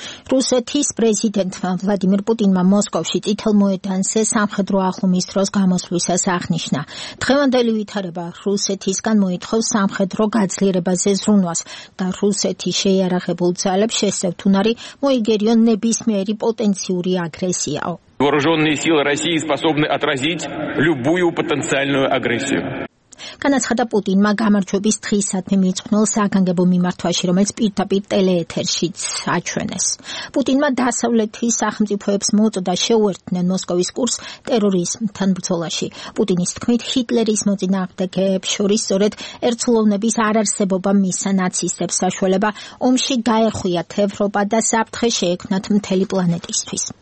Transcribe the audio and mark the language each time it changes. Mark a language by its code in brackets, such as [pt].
[ka] რუსეთის პრეზიდენტმა ვლადიმერ პუტინმა მოსკოვში წითელ მოედანზე სამხედრო აღლუმის დროს გამოსვლისას აღნიშნა. დღევანდელი ვითარება რუსეთისგან მოითხოვს სამხედრო გაძლიერებაზე ზრუნვას და რუსეთის შეიარაღებულ ძალებს შესევ თუნარი მოიგერიონ ნებისმიერი პოტენციური აგრესიაო. [ru] Вооруженные силы России способны отразить любую потенциальную агрессию. [ka] განაცხადა პუტინმა გამარჯვების დღისადმი მიძღვნილ საგანგებო მიმართვაში, რომელიც პირდაპირ ტელეეთერშიც აჩვენეს. პუტინმა დასავლეთის სახელმწიფოებს მოწოდა შეუერთდნენ მოსკოვის კურს ტერორიზმთან ბრძოლაში. პუტინის თქმით, ჰიტლერის მოწინააღმდეგეებს შორის სწორედ ერთულოვნების არარსებობა მისცა ნაციისტებს საშუალება ომში გაერხვიათ ევროპა და საფრთხე შეექმნათ მთელი პლანეტისთვის.